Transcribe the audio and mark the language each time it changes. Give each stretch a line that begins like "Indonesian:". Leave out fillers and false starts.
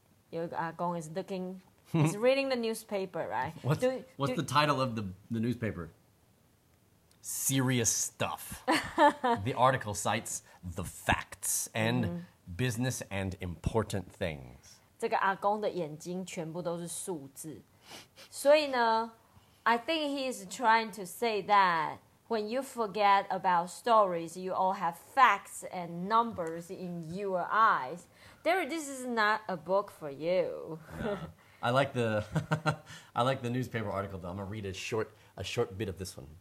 Chinese: 有个阿公
English: is looking, he's reading the newspaper, right? What's the title of the newspaper? Serious Stuff. The article cites the facts and business and important things.
Chinese: 这个阿公的眼睛全部都是数字。所以呢,
English: I think he's trying to say that when you forget about stories, you all have facts and numbers in your eyes. There, this is not a book for you. Yeah. I like the newspaper article, though. I'm going to read a short bit of this one.